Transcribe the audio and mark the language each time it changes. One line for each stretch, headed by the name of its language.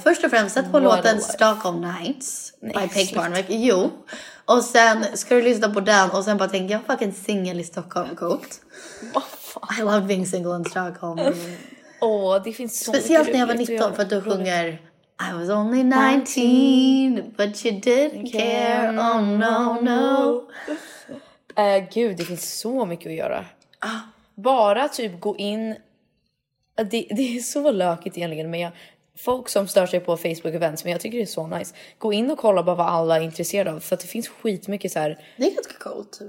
Swedish: Först och främst, sätt på låten Stockholm Nights. Nej, by Peg Parnevik. Jo. Och sen ska du lyssna på den. Och sen bara tänka, jag är fucking singel i Stockholm.
English: Coolt. I love being single in Stockholm.
Swedish: Åh, det finns så mycket. Speciellt när jag var 19 för att du sjunger...
English: I was only 19, but you didn't care, oh no.
Swedish: Gud, det finns så mycket att göra. Bara typ gå in, det är så lökigt egentligen, men folk som stör sig på Facebook-events, men jag tycker det är så nice. Gå in och kolla bara vad alla är intresserade av, för att det finns skitmycket så här. Det är ganska coolt.